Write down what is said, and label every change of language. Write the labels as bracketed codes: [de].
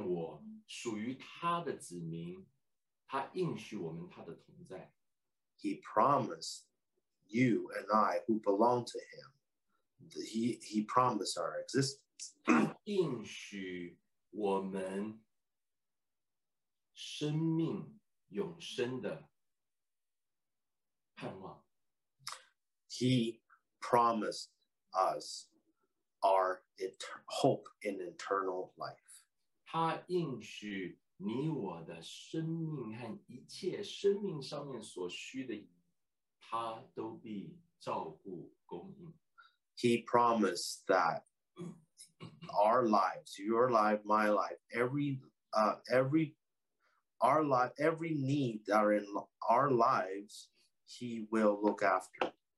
[zh] 他应许你和我属于他的子民, 他应许我们他的同在。 [en] He promised you and I who belong to him. He promised our existence. [zh] 他应许我们生命永生的盼望。 [en] He promised us our hope in eternal life. [zh] 他应许你我的生命和一切生命上面所需的，他都必照顾供应。 [en] He promised that our lives, your life, my life, every need that are in our lives, he will look after.